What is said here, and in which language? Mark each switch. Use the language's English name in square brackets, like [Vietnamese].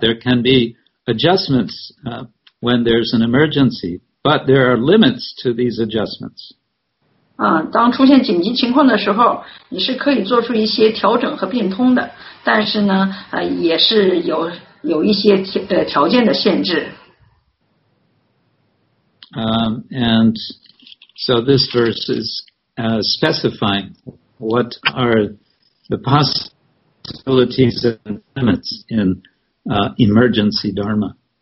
[English] There can be adjustments when there's an emergency, but there are limits to these adjustments. [Chinese] 当出现紧急情况的时候，你是可以做出一些调整和变通的，但是呢，也是有。有一些条件的限制。 [English] And so this verse is specifying what are the possibilities and limits in emergency dharma.